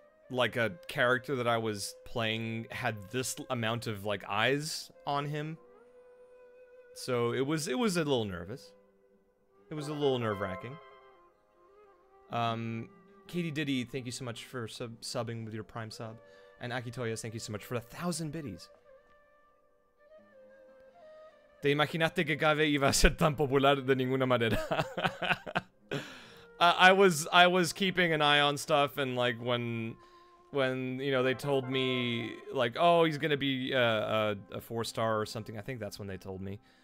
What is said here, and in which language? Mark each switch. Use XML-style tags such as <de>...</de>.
<en>Like a character that I was playing had this amount of like eyes on him. So it was a little nervous. It was a little nerve-wracking. Katie Diddy, thank you so much for subbing with your Prime sub. And Akitoya, thank you so much for 1,000 biddies.</en> <es>¿Te imaginaste que Kaveh iba a ser tan popular de ninguna manera?</es> <en>I was keeping an eye on stuff, and like when you know, they told me, like, oh, he's gonna be a 4-star or something. I think that's when they told me.</en>